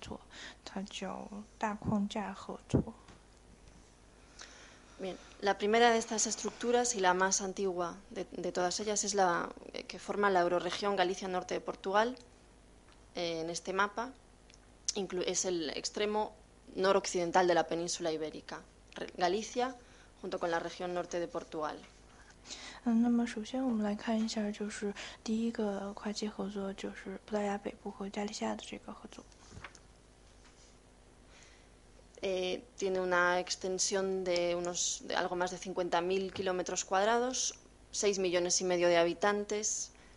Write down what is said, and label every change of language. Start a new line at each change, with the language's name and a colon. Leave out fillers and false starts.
Chinese: 那么我现在要简单介绍两个这种这个加利西亚同葡萄牙的这种合作方式，嗯，有一个呢就比较熟悉的，已经进行了很多年的是加葡萄牙北部同加利西亚的这种地区合作，跨界合作。那么第二个就是几个月前刚刚签订的一个加利西亚以及卡斯蒂利亚雷翁地区以及好多还有更多的地区将会，更多的自治共同体将会加入这个协议，然后同葡萄牙的这么一个合作，它叫大框架合作。
Spanish: Bien, la primera de estas estructuras y la más antigua de todas ellas es la que forma la Euroregión Galicia Norte de Portugal, en este mapa, es el extremo noroccidental de la península ibérica, Galicia junto con la región norte de Portugal.
Chinese: 那么首先我们来看一下就是第一个跨界合作，就是葡萄牙北部和加利西亚的这个合作。
Spanish: Tiene una extensión de algo más de 50.000 kilómetros cuadrados, 6 millones y medio de habitantes.